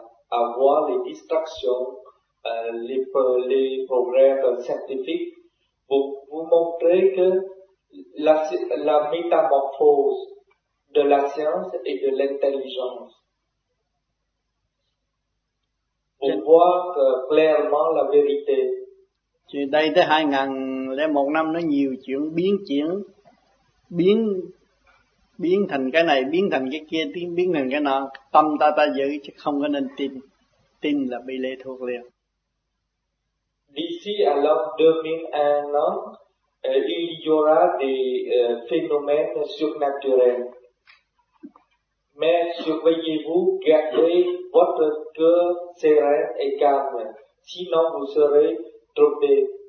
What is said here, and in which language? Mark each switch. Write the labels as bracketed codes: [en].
[fr] à voir les distractions, les progrès scientifiques pour vous montrer que la métamorphose de la science et de l'intelligence pour voir clairement la vérité. [vi] Chuyện đây tới 2001 năm nó nhiều chuyện biến biến thành cái này, biến thành cái kia, biến thành cái nọ, tâm ta giữ chứ không có nên tin, tin là bị lệ thuộc liền. [fr] D'ici à l'an 2001, il y aura des phénomènes surnaturels. Mais surveillez-vous, gardez votre cœur serein et calme, sinon vous serez trompé.